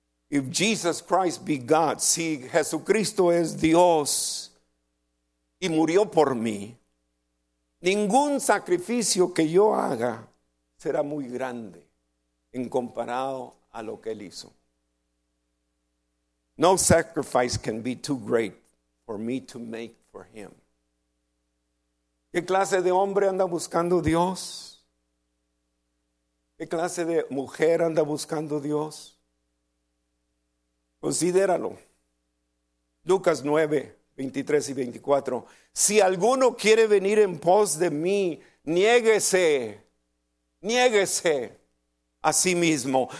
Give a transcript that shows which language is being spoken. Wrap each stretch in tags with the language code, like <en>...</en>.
<en>If Jesus Christ be God,</en> <es>si Jesucristo es Dios y murió por mí, ningún sacrificio que yo haga será muy grande en comparado a lo que él hizo.</es> <en>No sacrifice can be too great for me to make for him.</en> <es>¿Qué clase de hombre anda buscando Dios? ¿Qué clase de mujer anda buscando Dios? Considéralo. Lucas 9, 23 y 24. Si alguno quiere venir en pos de mí, niéguese, niéguese a sí mismo.</es>